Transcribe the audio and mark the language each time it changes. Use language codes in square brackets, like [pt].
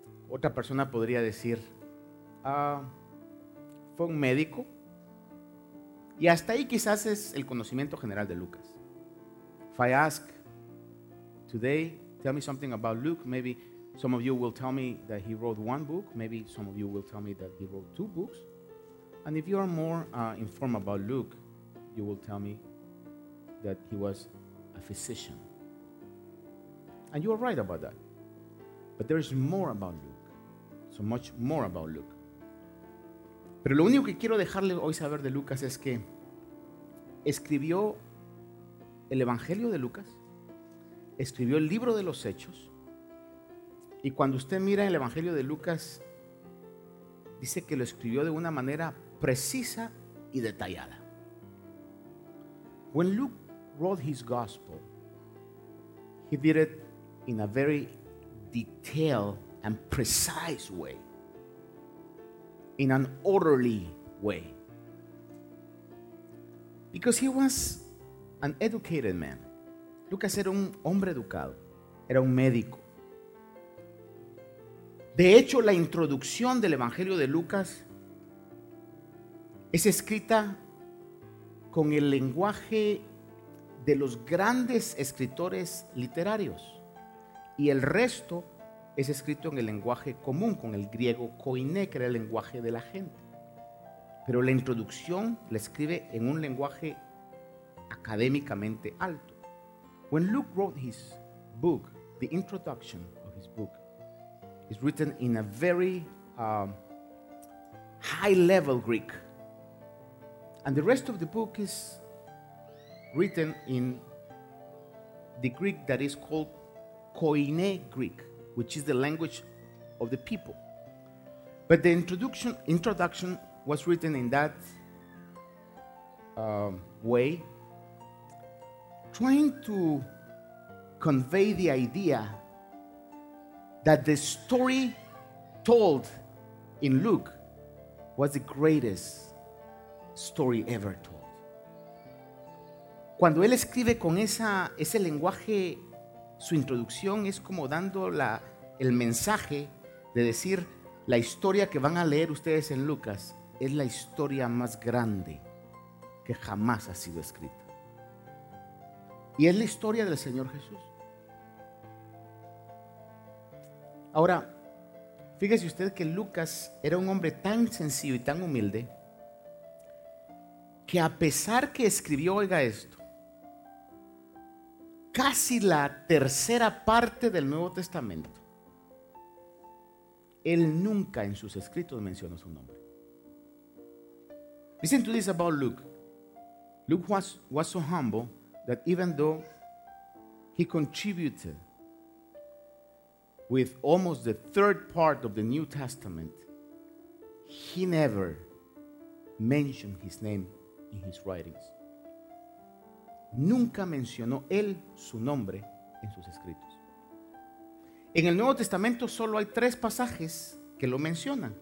[es] Otra persona podría decir, fue un médico. Y hasta ahí quizás es el conocimiento general de Lucas. [en] If I ask today, tell me something about Luke, maybe some of you will tell me that he wrote one book, maybe some of you will tell me that he wrote two books. And if you are more informed about Luke, you will tell me that he was a physician. And you are right about that. But there is more about Luke. So much more about Luke. [es] Pero lo único que quiero dejarle hoy saber de Lucas es que escribió el Evangelio de Lucas, escribió el libro de los Hechos, y cuando usted mira el Evangelio de Lucas, dice que lo escribió de una manera precisa y detallada. [en] When Luke wrote his gospel, he did it in a very detailed and precise way. In an orderly way. Because he was an educated man. [es] Lucas era un hombre educado. Era un médico. De hecho, la introducción del Evangelio de Lucas es escrita con el lenguaje de los grandes escritores literarios. Y el resto es escrito en el lenguaje común, con el griego koiné, que era el lenguaje de la gente. Pero la introducción la escribe en un lenguaje académicamente alto. [en] When Luke wrote his book, the introduction of his book is written in a very high-level Greek. And the rest of the book is written in the Greek that is called koiné Greek, which is the language of the people. But the introduction was written in that way, trying to convey the idea that the story told in Luke was the greatest story ever told. [es] Cuando él escribe con ese lenguaje, su introducción es como dando el mensaje de decir, la historia que van a leer ustedes en Lucas es la historia más grande que jamás ha sido escrita. Y es la historia del Señor Jesús. Ahora, fíjese usted que Lucas era un hombre tan sencillo y tan humilde que a pesar que escribió, oiga esto, casi la tercera parte del Nuevo Testamento, él nunca en sus escritos mencionó su nombre. [en] Listen to this about Luke. Luke was so humble that even though he contributed with almost the third part of the New Testament, he never mentioned his name in his writings. [es] Nunca mencionó él su nombre en sus escritos. En el Nuevo Testamento solo hay tres pasajes que lo mencionan.